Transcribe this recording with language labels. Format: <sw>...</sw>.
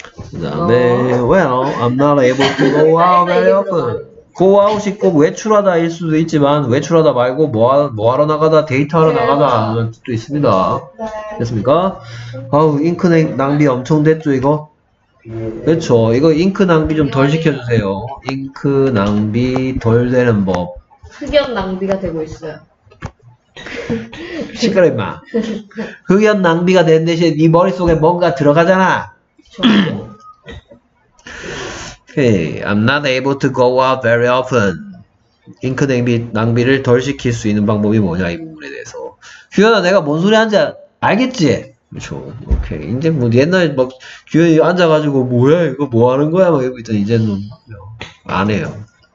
<ko>그 다음에</ko> <en>well, I'm not able to go out very often.</en> <ko>go out이 꼭 외출하다일 수도 있지만 외출하다 말고 뭐하러 나가다, 데이트하러 나가다 그런 뜻도 있습니다. 됐습니까? 아우, 잉크 낭비 엄청 됐죠 이거? 그렇죠. 이거 잉크 낭비 좀 덜 시켜주세요. 잉크 낭비 덜 되는 법. 흑연 낭비가 되고 있어요. 시끄러 임마. 흑연 낭비가 된 대신 네 머릿속에 뭔가 들어가잖아.</ko> <en>Okay, I'm not able to go out very often.</en> <ko>잉크 낭비를 덜 시킬 수 있는 방법이 뭐냐 이 부분에 대해서. 규현아 내가 뭔 소리 하는지 알겠지? 그렇죠. 오케이. 이제 뭐 옛날 막 규현이 앉아가지고 뭐야 이거 뭐 하는 거야 막 이러고 있던 이제는 안 해요.</ko>